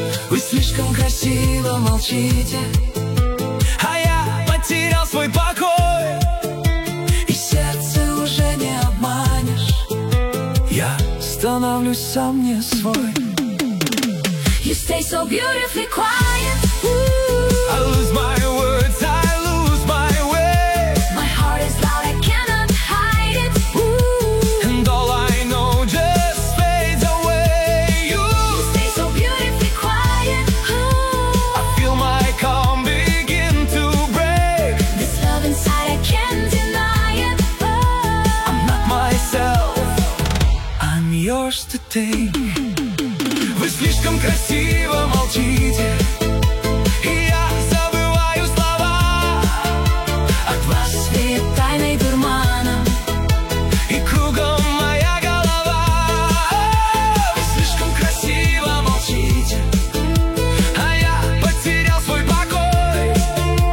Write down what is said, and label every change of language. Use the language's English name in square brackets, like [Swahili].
[Russian] Вы слишком красиво молчите, а я потерял свой покой. И сердце уже не обманешь, я становлюсь сам не свой. [English] You stay so beautifully quiet. Ooh. I lose my words, I lose my way. My heart is loud, I cannot hide it. Ooh. And all I know just fades away. You stay so beautifully quiet. Ooh. I feel my calm begin to break. This love inside, I can't deny it. Oh. I'm not myself, I'm yours to take. [Russian] Красиво молчите, и я забываю слова. От вас веет тайной дурманом, и кругом моя голова. Вы слишком красиво молчите, а я потерял свой покой.